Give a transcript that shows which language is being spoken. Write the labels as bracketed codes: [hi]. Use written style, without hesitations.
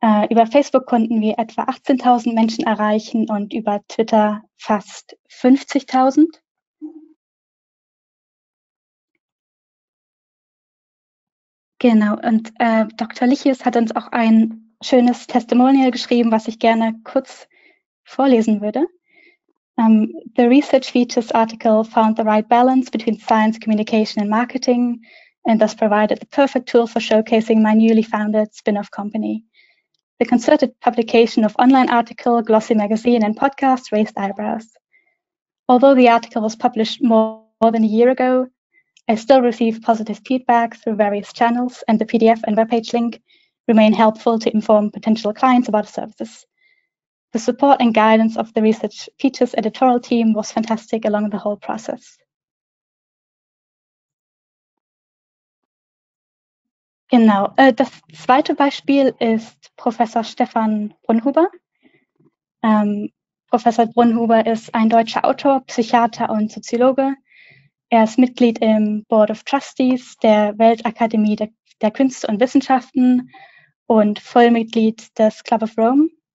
[de] Über Facebook konnten wir etwa 18.000 Menschen erreichen und über Twitter fast 50.000. Genau, und Dr. Lichius hat uns auch ein schönes Testimonial geschrieben, was ich gerne kurz vorlesen würde. [en] The research features article found the right balance between science, communication and marketing and thus provided the perfect tool for showcasing my newly founded spin-off company. The concerted publication of online article, glossy magazine and podcast raised eyebrows. Although the article was published more than a year ago, I still receive positive feedback through various channels, and the PDF and webpage link remain helpful to inform potential clients about services. The support and guidance of the research features editorial team was fantastic along the whole process. [de] Genau, das zweite Beispiel ist Professor Stefan Brunhuber. Professor Brunhuber ist ein deutscher Autor, Psychiater und Soziologe. Er ist Mitglied im Board of Trustees der Weltakademie der Künste und Wissenschaften und Vollmitglied des Club of Rome.